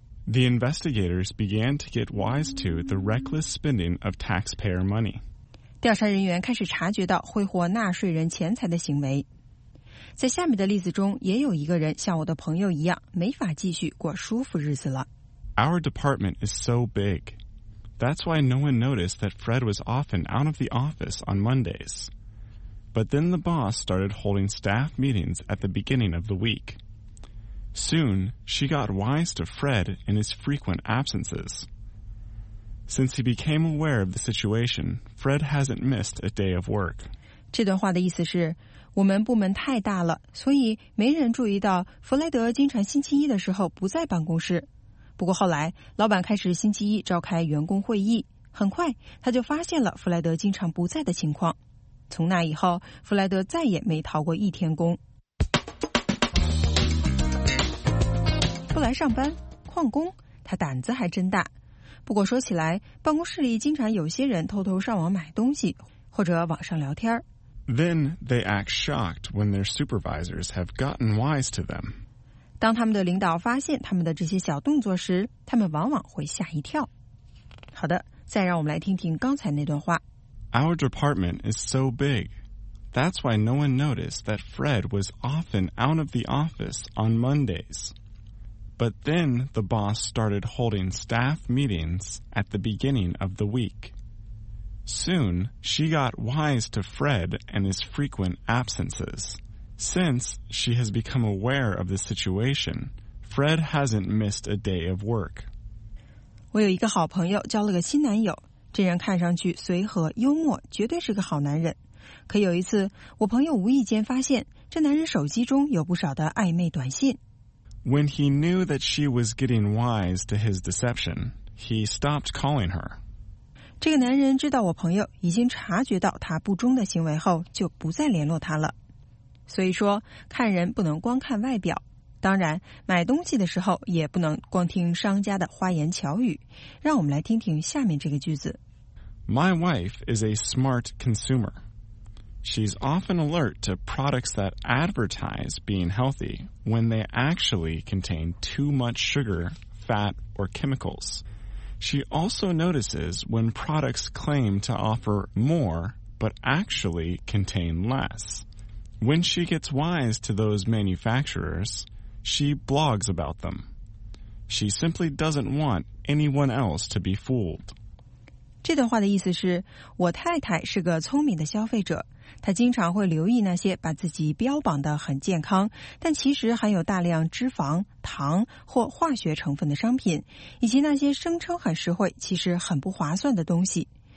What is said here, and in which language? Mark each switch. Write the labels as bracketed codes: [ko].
[en] The investigators began to get wise to the reckless spending of taxpayer money. [zh] 调查人员开始察觉到挥霍纳税人钱财的行为。在下面的例子中，也有一个人像我的朋友一样，没法继续过舒服日子了。 [en] Our department is so big. That's why no one noticed that Fred was often out of the office on Mondays. But then the boss started holding staff meetings at the beginning of the week. Soon, she got wise to Fred and his frequent absences. Since he became aware of the situation, Fred hasn't missed a day of work. [zh] 这段话的意思是，我们部门太大了，所以没人注意到弗莱德经常星期一的时候不在办公室。不过后来，老板开始星期一召开员工会议，很快他就发现了弗莱德经常不在的情况。从那以后，弗莱德再也没逃过一天工。不来上班，旷工，他胆子还真大。不过说起来，办公室里经常有些人偷偷上网买东西，或者网上聊天。 [en] Then they act shocked when their supervisors have gotten wise to them. [zh] 当他们的领导发现他们的这些小动作时，他们往往会吓一跳。好的，再让我们来听听刚才那段话。 [en] Our department is so big. That's why no one noticed that Fred was often out of the office on Mondays. But then the boss started holding staff meetings at the beginning of the week. Soon, she got wise to Fred and his frequent absences. Since she has become aware of the situation, Fred hasn't missed a day of work. [zh] 我有一个好朋友交了个新男友，这人看上去随和幽默，绝对是个好男人。可有一次，我朋友无意间发现这男人手机中有不少的暧昧短信。 [en] When he knew that she was getting wise to his deception, he stopped calling her. [zh] 这个男人知道我朋友已经察觉到他不忠的行为后，就不再联络他了。所以说，看人不能光看外表，当然，买东西的时候也不能光听商家的花言巧语。让我们来听听下面这个句子。 [en] My wife is a smart consumer. She's often alert to products that advertise being healthy when they actually contain too much sugar, fat, or chemicals. She also notices when products claim to offer more but actually contain less. When she gets wise to those manufacturers, she blogs about them. She simply doesn't want anyone else to be fooled. [zh] 这段话的意思是，我太太是个聪明的消费者，她经常会留意那些把自己标榜得很健康，但其实含有大量脂肪、糖或化学成分的商品，以及那些声称很实惠，其实很不划算的东西。